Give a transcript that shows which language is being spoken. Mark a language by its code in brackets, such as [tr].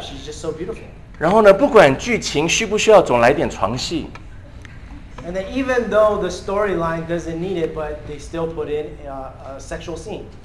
[en] She's just so beautiful. [zh] 然后呢，不管剧情需不需要，总来点床戏。 [en] And then even though the storyline doesn't need it, but they still put in a sexual scene.